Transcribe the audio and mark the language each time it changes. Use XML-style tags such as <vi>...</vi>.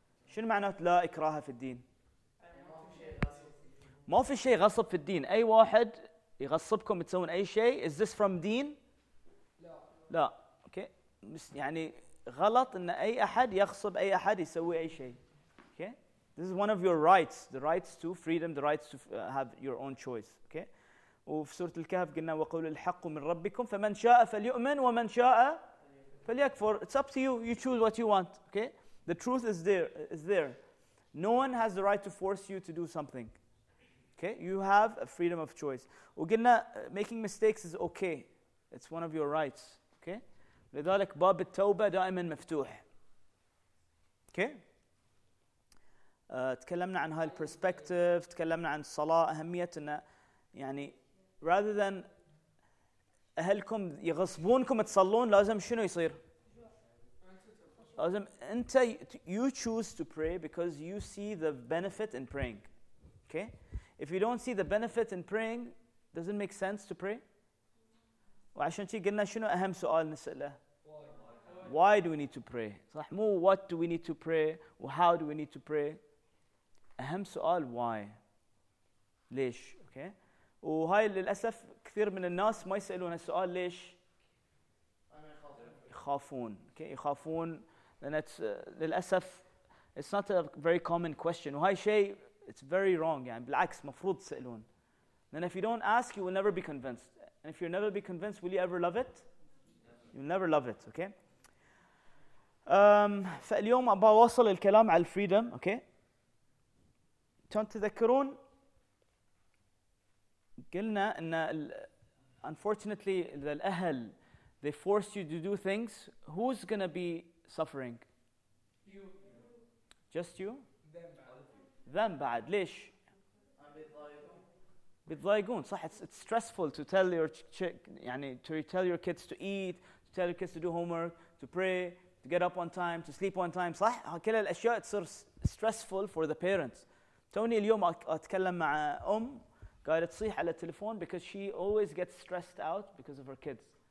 <ar>شنو معنى لا إكراه في الدين? ما في شيء غصب في الدين. أي واحد يغصبكم تسوون أي شيء,</ar> <en>is this from deen?</en> <ar>لا اوكي okay. يعني غلط ان اي احد يغصب اي احد يسوي اي شيء اوكي okay.</ar> <en>This is one of your rights the rights to freedom the rights to have your own choice okay okay.</en> <ar>وفي سوره الكهف قلنا وقول الحق من ربكم فمن شاء فليؤمن ومن شاء فليكفر</ar> <en>it's up to you you choose what you want okay the truth is there no one has the right to force you to do something okay you have a freedom of choice وقلنا making mistakes is okay it's one of your rights</en> <ar>لذلك باب التوبة دائما مفتوح.</ar> <en>Okay.</en> <ar>تكلمنا عن هاي البرسبكتيف تكلمنا عن الصلاة أهمية إن يعني</ar> <en>rather than</en> <ar>أهلكم يغصبونكم تصلون لازم شنو يصير؟ لازم أنت</ar> <en>you choose to pray because you see the benefit in praying. Okay. If you don't see the benefit in praying, doesn't make sense to pray.</en> <ar>وعشان شي قلنا شنو أهم سؤال نسأله؟</ar> <en>Why do we need to pray?</en> <ar>صح مو</ar> <en>what do we need to pray وhow do we need to pray?</en> <ar>أهم سؤال why? ليش؟ Okay. وهاي للأسف كثير من الناس ما يسألون السؤال ليش؟ يخافون.</ar> <en>Okay.</en> <ar>يخافون لأن للأسف</ar> <en>it's not a very common question.</en> <ar>وهاي شيء</ar> <en>it's very wrong.</en> <ar>يعني بالعكس مفروض تسألون.</ar> <en>Then if you don't ask, you will never be convinced. And if you'll never be convinced, will you ever love it? You'll never love it. Okay.</en> <ar>فاليوم أبغى أوصل الكلام على الفريدم، أوكي؟ تون تذكرون قلنا ان</ar> <en>unfortunately the الاهل they force you to do things, who's going to be suffering? You. Just you? Them</en> <ar>بعد. Them بعد. ليش? بيضايقون. صح.</ar> <en>It's stressful to tell your kids to eat, to tell your kids to do homework, to pray, to get up on time, to sleep on time.</en> <ar>صح. كل الأشياء تصير stressful for the parents. توني اليوم أتكلم مع أم قاعدة تصيح على التليفون</ar> <en>because she always gets stressed out because of her kids.</en>